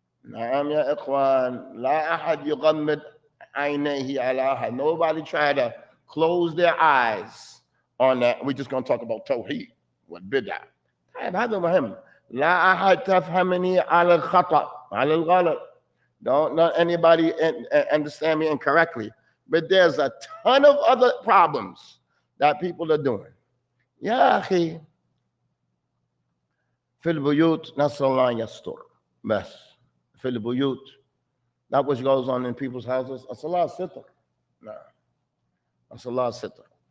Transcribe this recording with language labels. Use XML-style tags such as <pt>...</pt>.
<ar>نعم يا إخوان لا أحد يغمض عينيه على أحد.</ar> <en>Nobody try to close their eyes on that. We're just going to talk about</en> <ar>توحيد والبدع. طيب هذا مهم. لا أحد تفهمني على الخطأ على الغلط.</ar> <en>Don't let anybody understand me incorrectly. But there's a ton of other problems that people are doing.</en> <ar>يا أخي في البيوت نسأل الله يستر بس في البيوت</ar> <en>that which goes on in people's houses</en> <ar>أسأل الله ستر نعم أسأل الله ستر.</ar>